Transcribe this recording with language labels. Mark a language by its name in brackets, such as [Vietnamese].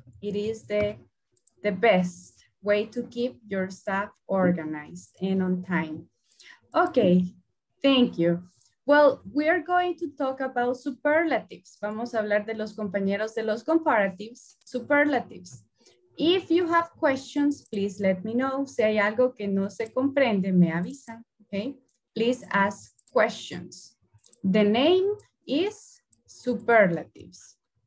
[English] It is the best way to keep your staff organized and on time. Okay, thank you. Well, we are going to talk about superlatives. [Spanish] Vamos a hablar de los compañeros de los comparatives, superlatives. [English] If you have questions, please let me know. [Spanish] Si hay algo que no se comprende, me avisan, okay? [English] Please ask questions. The name is superlatives.